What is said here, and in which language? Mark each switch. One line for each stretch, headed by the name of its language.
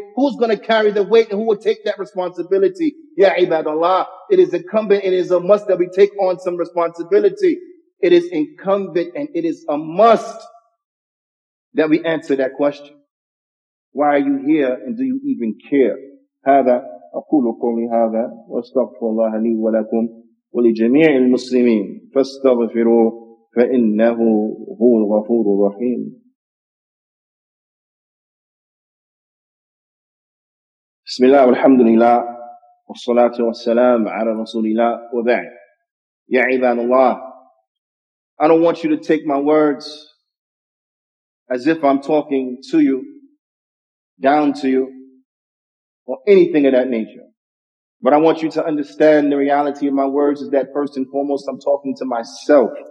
English: Who's going to carry the weight and who will take that responsibility? Ya ibadallah, it is incumbent, it is a must that we take on some responsibility. It is incumbent and it is a must that we answer that question. Why are you here and do you even care?
Arabic: هذا أقول قولي هذا وأستغفر الله لي ولكم ولجميع المسلمين فاستغفروه فإنه هو الغفور الرحيم. بسم الله والحمد لله والصلاة والسلام على رسول الله وبعد. يا عباد الله,
English: I don't want you to take my words as if I'm talking to you, down to you, or anything of that nature. But I want you to understand the reality of my words is that first and foremost, I'm talking to myself.